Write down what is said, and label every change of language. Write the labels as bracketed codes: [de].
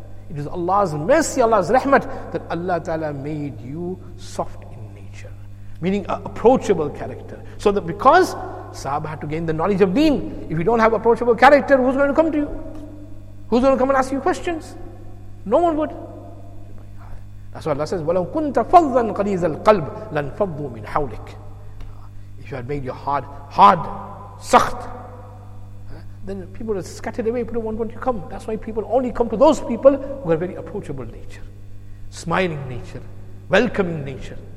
[en] It is Allah's mercy, Allah's rahmat, that Allah Ta'ala made you soft in nature. Meaning an approachable character. So that because Sahaba had to gain the knowledge of deen, if you don't have approachable character, who's going to come to you? Who's going to come and ask you questions? No one would. That's why Allah says, [ar] وَلَوْ كُنْتَ فَضًّا قَلِيزَ الْقَلْبِ لَنْ فَضُّوا مِنْ حَوْلِكَ. [en] If you had made your heart hard, sakht, then people are scattered away, people won't want to come. That's why people only come to those people who have very approachable nature, smiling nature, welcoming nature.